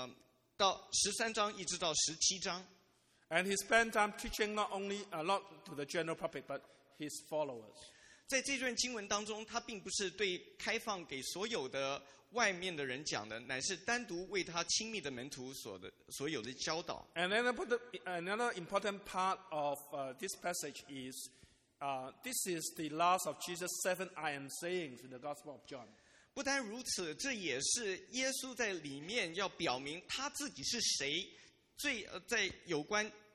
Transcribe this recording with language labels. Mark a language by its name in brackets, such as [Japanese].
[Chinese] 这段经文乃是耶稣对他门徒一个离别的教导，乃是在约翰福音十三章，到十三章一直到十七章。 [English] And he spent time teaching not only a lot to the general public, but his followers. [Chinese] 在这段经文当中，他并不是对开放给所有的外面的人讲的，乃是单独为他亲密的门徒所有的教导。And [English] another important part of this passage is, this is the last of Jesus' seven I am sayings in the Gospel of John. [Chinese] 不单如此，这也是耶稣在里面要表明他自己是谁，最在有关。